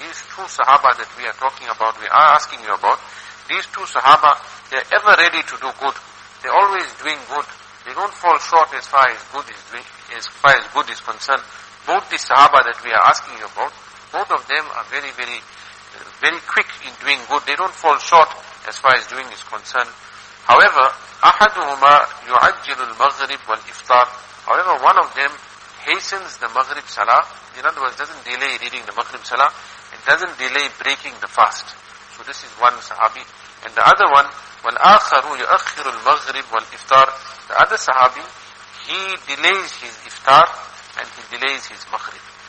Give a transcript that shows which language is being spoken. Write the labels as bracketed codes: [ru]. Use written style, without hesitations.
[en] These two sahaba that we are talking about, we are asking you about, these two sahaba, they are ever ready to do good. They are always doing good. They don't fall short as far as good is concerned. Both the sahaba that we are asking you about, both of them are very, very, very quick in doing good. They don't fall short as far as doing is concerned. However, [ar] أَحَدُهُمَا يُعَجِّلُ الْمَغْرِبْ وَالْإِفْطَارِ. [en] However, one of them hastens the Maghrib Salah. In other words, doesn't delay reading the Maghrib Salah. It doesn't delay breaking the fast. So this is one sahabi. And the other one, [ar] وَالْآخَرُ يُؤَخِّرُ الْمَغْرِبُ وَالْإِفْطَارِ. [en] The other sahabi, he delays his iftar and he delays his maghrib.